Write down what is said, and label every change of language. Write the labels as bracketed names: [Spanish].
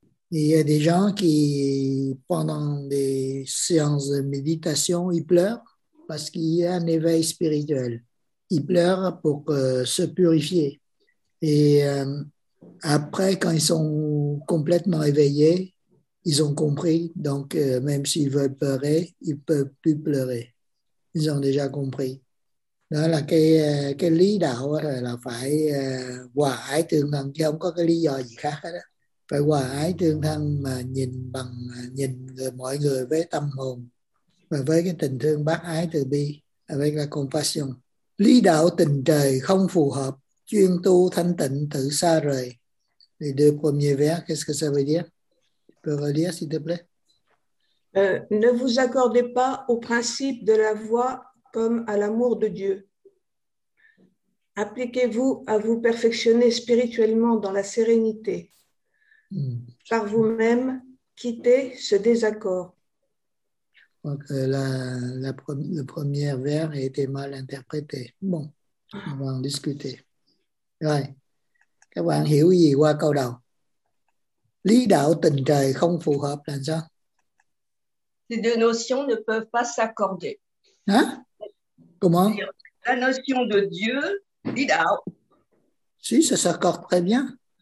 [French] Il y a des gens qui, pendant des séances de méditation, ils pleurent parce qu'il y a un éveil spirituel. Ils pleurent pour se purifier. Et après, quand ils sont complètement éveillés, ils ont compris. Donc, même s'ils veulent pleurer, ils ne peuvent plus pleurer. Ils ont déjà compris. [Vietnamese] Đó là cái lý đạo là phải hòa ái tương thân chứ không có cái lý do gì khác hết đó. Phải hòa ái tương thân mà nhìn người, mọi người với tâm hồn và với cái tình thương bác ái từ bi với cái compassion. Lý đạo tình trời không phù hợp, chuyên tu thanh tịnh tự xa rời. Thì đưa [French] premier vers, qu'est-ce que ça veut dire? Tu peux relire s'il te plaît? Ne vous accordez pas au principe de la voie comme à l'amour de Dieu. Appliquez-vous à vous perfectionner spirituellement dans la sérénité. Par vous-même, quittez ce désaccord. Donc, le premier vers a été mal interprété. Bon, on va en discuter. [Vietnamese] Rồi, các bạn hiểu gì qua câu đầu? Lý đạo tình trời không phù hợp là sao? [French] Ces deux notions ne peuvent pas s'accorder. Hein? Comment? La notion de Dieu, l'idao. Si, ça s'accorde très bien.